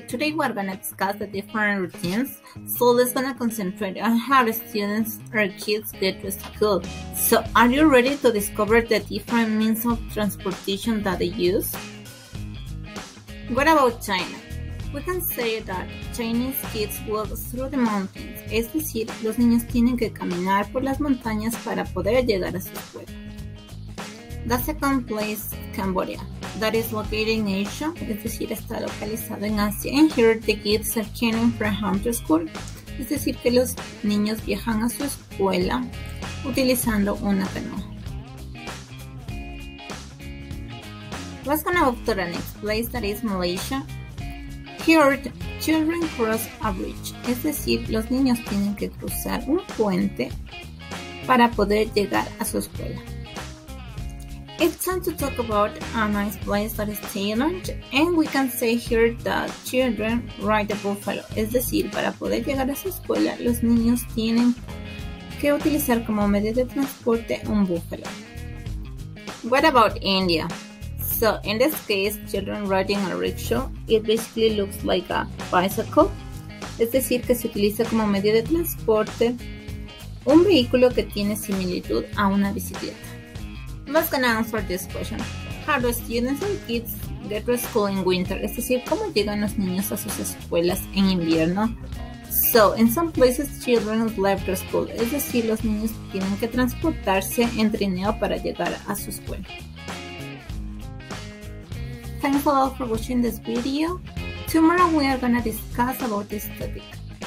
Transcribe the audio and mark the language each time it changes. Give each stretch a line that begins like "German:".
English: Today we're going to discuss the different routines. So let's going to concentrate on how the students or kids get to school. So are you ready to discover the different means of transportation that they use? What about China? We can say that Chinese kids walk through the mountains.
Spanish: Es decir, los niños tienen que caminar por las montañas para poder llegar a su escuela.
English: The second place, Cambodia. That is located in Asia,
Spanish: es decir, está localizado en Asia.
English: And here the kids are carrying from home to school,
Spanish: es decir, que los niños viajan a su escuela utilizando una canoa.
English: Let's go now to the next place, that is Malaysia. Here the children cross a bridge,
Spanish: es decir, los niños tienen que cruzar un puente para poder llegar a su escuela.
English: It's time to talk about a nice place that is Thailand, and we can say here that children ride a buffalo.
Spanish: Es decir, para poder llegar a su escuela, los niños tienen que utilizar como medio de transporte un buffalo.
English: What about India? So, in this case, children riding a rickshaw, it basically looks like a bicycle.
Spanish: Es decir, que se utiliza como medio de transporte un vehículo que tiene similitud a una bicicleta.
English: Let's gonna answer this question. How do students and kids get to school in winter?
Spanish: Es decir, ¿cómo llegan los niños a sus escuelas en invierno?
English: So, in some places, children drive to school.
Spanish: Es decir, los niños tienen que transportarse en trineo para llegar a su escuela.
English: Thanks a lot for watching this video. Tomorrow we are gonna discuss about this topic.